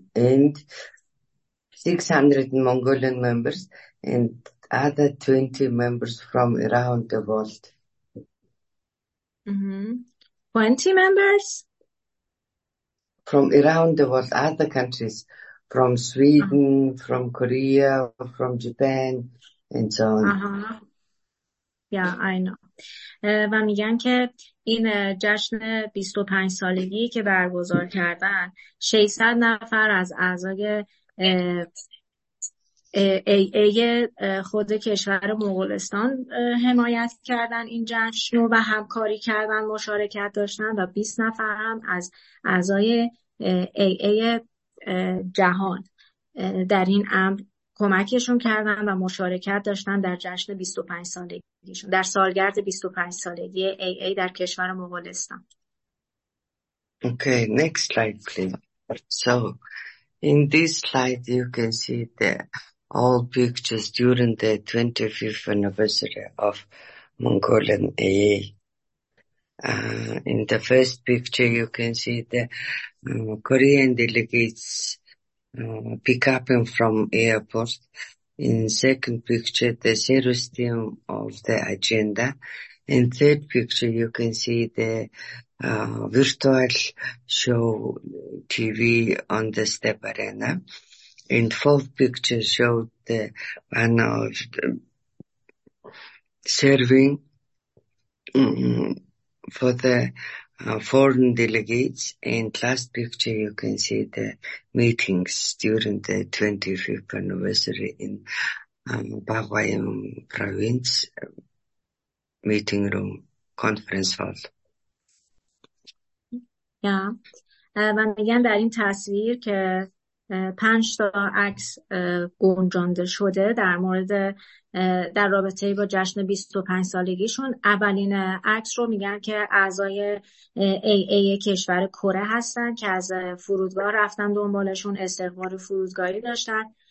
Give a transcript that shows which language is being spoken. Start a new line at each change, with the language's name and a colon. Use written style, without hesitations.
English: and 600 Mongolian members and other 20 members from around the world. 20 members? From around the world, other countries, from Sweden, from Korea, from Japan, and so on. Yeah, I know.
Persian: و میگن که این جشن 25 سالگی که برگزار کردن 600 نفر از اعضای ای خود کشور مغولستان حمایت کردن این جشن رو و همکاری کردن مشارکت داشتن و 20 نفر هم از اعضای ای جهان در این امر کمکشون کردن و مشارکت داشتن در جشن 25 سالگیشون در سالگرد 25 سالگی ای در کشور مغولستان.
English: Okay, next slide please. So in this slide you can see the all pictures during the 25th anniversary of Mongolian AA. In the first picture, you can see the Korean delegates pick up him from airport. In second picture, the serious theme of the agenda. In third picture, you can see the virtual show TV on the Step Arena. in 12 pictures showed the serving for the foreign delegates. And last picture, you can see the meetings during the 25th anniversary in Bagwayam province meeting room, conference hall. Yeah.
Persian: و میگن در این تصویر که پنج تا عکس گنجانده شده در مورد در رابطه با جشن 25 سالگیشون، اولین عکس رو میگن که اعضای AA کشور کره هستن که از فرودگاه رفتن دنبالشون، استقبال فرودگاهی داشتن.